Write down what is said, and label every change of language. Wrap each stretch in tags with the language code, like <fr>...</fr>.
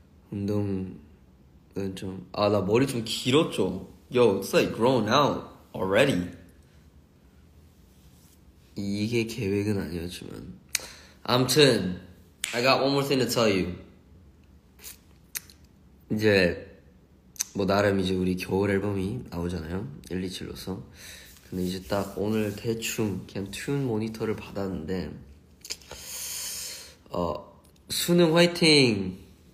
<ko>운동은 좀, 나 머리 좀 길었죠?</ko> <en>Yo, it's like grown out already.</en> <ko>이게 계획은 아니었지만. 아무튼,</ko> <en>I got one more thing to tell you.</en> <ko>이제, 뭐, 나름 이제 우리 겨울 앨범이 나오잖아요. 127로서. 근데 이제 딱 오늘 대충 그냥 튠 모니터를 받았는데, 수능 화이팅!</ko>